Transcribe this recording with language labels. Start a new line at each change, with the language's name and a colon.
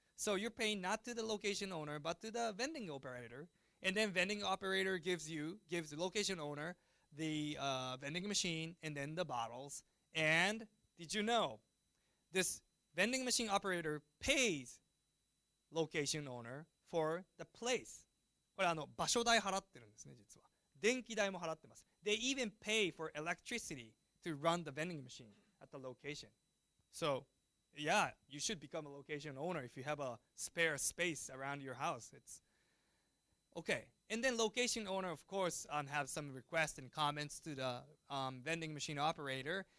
English: So you're paying not to the location owner, but to the vending operator. And then vending operator gives the location owner the vending machine and then the bottles. And did you know, this vending machine operator pays location owner for the place.
Japanese: これ、場所代払ってるんですね、実は。電気代も払ってます。
English: They even pay for electricity to run the vending machine at the location. So, yeah, you should become a location owner if you have a spare space around your house. It's okay. And then location owner, of course, have some requests and comments to the vending machine operator.